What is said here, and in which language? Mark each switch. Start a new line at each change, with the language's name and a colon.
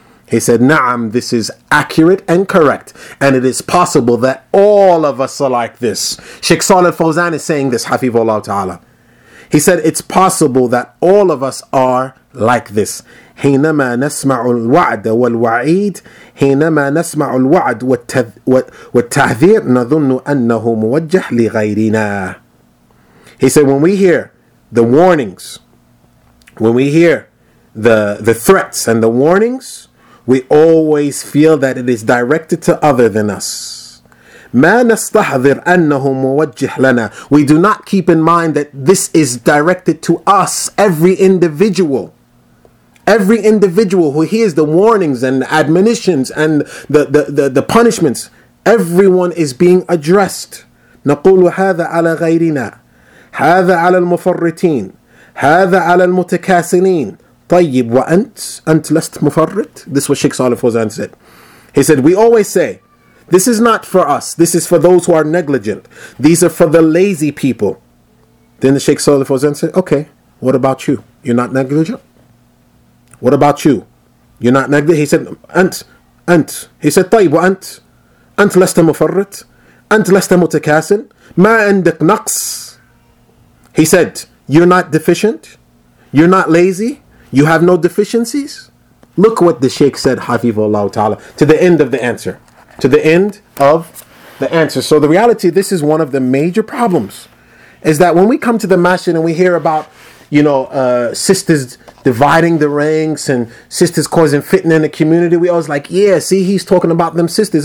English: He said, Na'am, this is accurate and correct. And it is possible that all of us are like this. Sheikh Saleh Fawzan is saying this, Hafiz Allah Ta'ala. He said, it's possible that all of us are like this.
Arabic: حينما نسمع الوعد والوعيد حينما نسمع الوعد والتحذير نظن أنه موجه لغيرنا.
English: He said, when we hear the warnings, when we hear the threats and the warnings, we always feel that it is directed to other than us.
Arabic: مَا نَسْتَحْذِرْ أَنَّهُ مُوَجِّحْ لَنَا.
English: We do not keep in mind that this is directed to us, every individual. Every individual who hears the warnings and admonitions and the punishments, everyone is being addressed.
Arabic: نَقُولُ هَذَا عَلَى غَيْرِنَا هَذَا عَلَى الْمُفَرِّتِينَ هَذَا عَلَى الْمُتَكَاسِلِينَ. طيب وأنت أنت لست مفرط.
English: This is what Sheikh Saleh Fawzan said. He said, we always say, this is not for us. This is for those who are negligent. These are for the lazy people. Then the Sheikh Saleh Fawzan said, okay, what about you? You're not negligent? What about you? You're not negligent? He said,
Arabic: أنت.
English: He said,
Arabic: طيب وأنت أنت لست مفرط. أنت لست متكاسل. ما عندك نقص.
English: He said, you're not deficient. You're not lazy. You have no deficiencies? Look what the Shaykh said, Hafiz Allah Ta'ala, to the end of the answer. To the end of the answer. So the reality, this is one of the major problems, is that when we come to the masjid and we hear about, you know, sisters dividing the ranks and sisters causing fitna in the community, we always like, yeah, see, he's talking about them sisters.